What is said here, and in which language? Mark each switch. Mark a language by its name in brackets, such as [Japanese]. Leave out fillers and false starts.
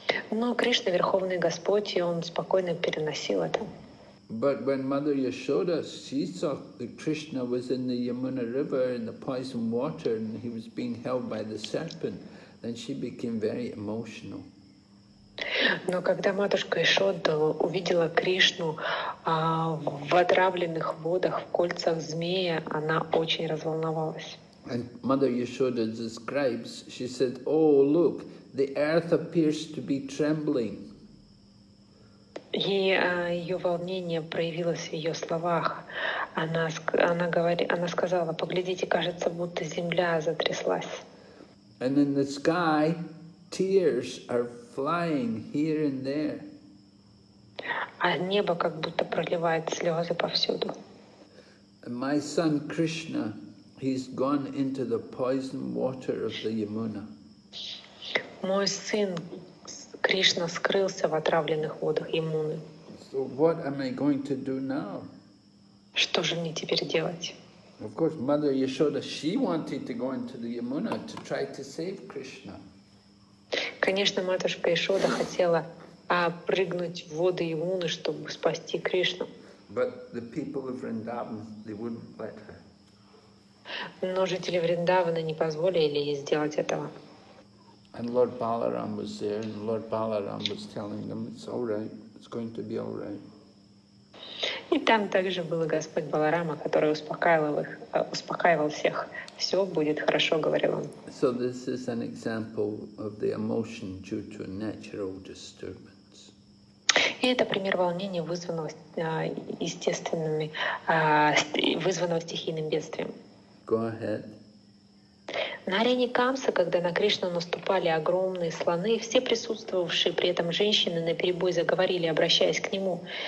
[Russian] Но Кришна верховный Господь, и он спокойно переносил это. [English] But when Mother Yashoda, she saw that Krishna was in the Yamuna River in the poison water, and he was being held by the serpent, then she became very emotional. [Russian] Но когда матушка Ишода увидела Кришну в отравленных водах, в кольцах змея, она очень разволновалась. [English] And Mother Yashoda describes, she said, oh, look, the earth appears to be trembling. [Russian] И ее волнение проявилось в ее словах. Она сказала, поглядите, кажется, будто земля затряслась. [English] And in the sky, tears are flying here and there. [Russian] А небо как будто проливает слезы повсюду. [English] And my son Krishna, he's gone into the poison water of the Yamuna. [Russian] Мой сын Кришна скрылся в отравленных водах Ямуны. [English] So what am I going to do now? [Russian] Что же мне теперь делать? [English] Of course, Mother Yashoda, she wanted to go into the Yamuna to try to save Krishna. [Russian] Конечно, матушка Ишода хотела прыгнуть в воды Ямуны, чтобы спасти Кришну. [English] But the people of Vrindavan, they wouldn't let her. [Russian] Но жители Вриндавана не позволили ей сделать этого. [English] And Lord Balaram was there, and Lord Balaram was telling them, it's all right, it's going to be all right. [Russian] И там также был Господь Баларама, который успокаивал всех. Все будет хорошо, говорил он. [English] So this is an example of the emotion due to natural disturbance. [Russian] И это пример волнения, вызванного стихийным бедствием. [English] Go ahead. [Russian] На арене Камса, когда на Кришну наступали огромные слоны, все присутствовавшие при этом женщины наперебой заговорили, обращаясь к нему.